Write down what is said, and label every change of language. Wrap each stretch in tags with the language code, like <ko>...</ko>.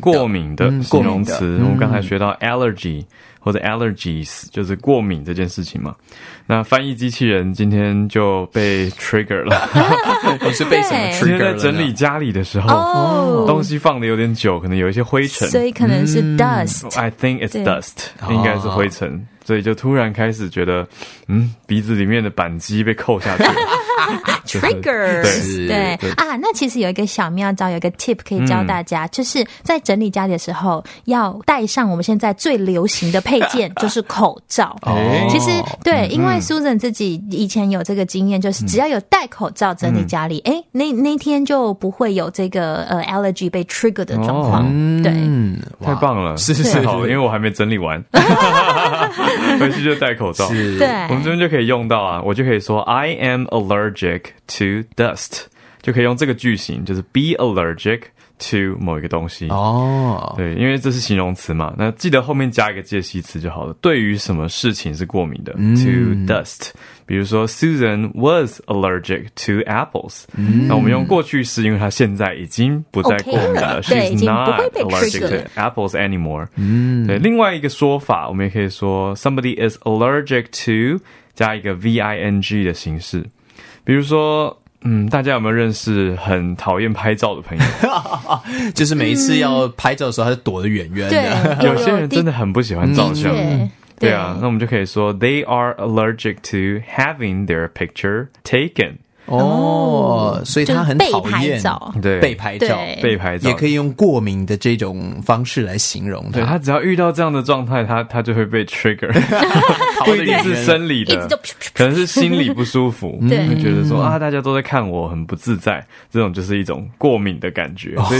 <zh>过敏的形容词、嗯、我们刚才学到 allergy 或者 allergies 就是过敏这件事情嘛那翻译机器人今天就被 trigger 了你是被什么 trigger 了今天在整理家里的时候、 oh, 东西放的有点久可能有一些灰尘所以可能是 dust、</zh> <en>嗯、I think it's dust</en> <zh>应该是灰尘、</zh> <en>oh.</en> <zh>所以就突然开始觉得嗯，鼻子里面的扳机被扣下去了</zh> <en>Triggers</en> <zh>对啊，那其实有一个小妙招有一个 tip 可以教大家、嗯、就是在整理家里的时候要带上我们现在最流行的配件就是口罩、哦、其实对、嗯、因为 Susan 自己以前有这个经验就是只要有戴口罩整理家里、嗯、那天就不会有这个allergy 被 trigger 的状况、哦、对太棒了是是好因为我还没整理完回去就戴口罩是对我们这边就可以用到啊我就可以说</zh> <en>I am allergic to dust</en> <zh>就可以用这个句型就是 be allergic to 某一个东西、 oh. 对因为这是形容词嘛那记得后面加一个介系词就好了对于什么事情是过敏的、mm.</zh> <en>to dust</en> <zh>比如说</zh> <en>Susan was allergic to apples、mm.</en> <zh>那我们用过去式因为她现在已经不再过敏了</zh> <en>okay, she's not allergic to apples anymore、mm.</en> <zh>对另外一个说法我们也可以说</zh> <en>somebody is allergic to</en> <zh>加一个 ving 的形式比如说嗯，大家有没有认识很讨厌拍照的朋友就是每一次要拍照的时候他就躲得远远的、嗯、有些人真的很不喜欢照相、嗯、对啊那我们就可以说</zh> <en>They are allergic to having their picture taken</en> <zh>哦，所以他很讨厌被拍照也可以用过敏的这种方式来形容他对他只要遇到这样的状态 他就会被 trigger 不一定是生理的可能是心理不舒服对觉得说啊，大家都在看我很不自在这种就是一种过敏的感觉所以</zh>